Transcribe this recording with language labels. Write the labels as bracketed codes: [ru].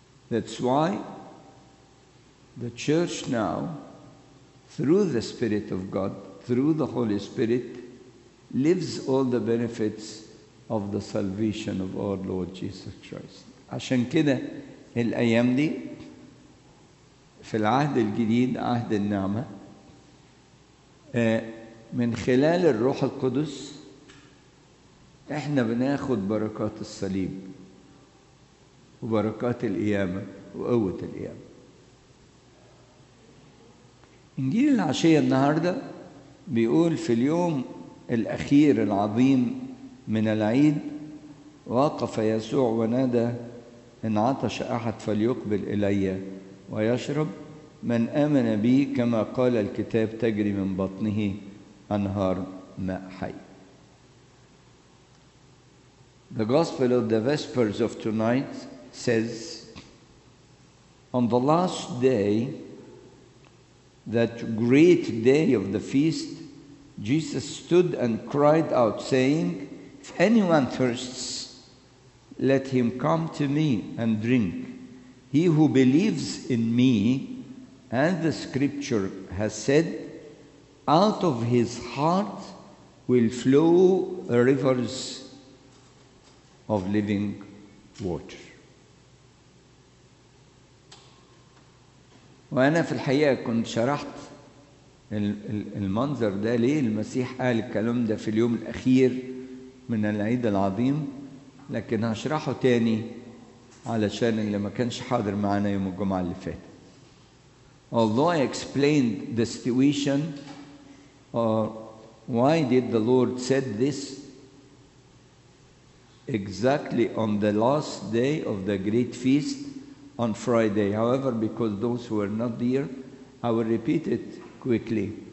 [en] That's why the church now, through the Spirit of God, through the Holy Spirit, lives all the benefits of the salvation of our Lord Jesus Christ. [ar] عشان كده الأيام دي في العهد الجديد, عهد النعمة, من خلال الروح القدس احنا بناخد بركات الصليب وبركات القيامة وقوة القيامة. إنجيل العشية النهاردة بيقول في اليوم الأخير العظيم من العيد, وقف يسوع ونادى: إن عطش أحد فليقبل إلي ويشرب, من آمن بي كما قال الكتاب تجري من بطنه أنهار ماء حي. [en] The Gospel of the Vespers of tonight says, on the last day, that great day of the feast, Jesus stood and cried out, saying, if anyone thirsts, let him come to me and drink. He who believes in me, as the scripture has said, out of his heart will flow rivers of living water. [ar] وأنا في الحقيقة كنت شرحت المنظر ده ليه المسيح قال الكلام ده في اليوم الأخير من العيد العظيم, لكن هشرحه تاني علشان اللي ما كانش حاضر معنا يوم الجمعة اللي فات. [en] Although I explained the situation or why did the Lord said this exactly on the last day of the great feast on Friday. However, because those who are not there, I will repeat it quickly.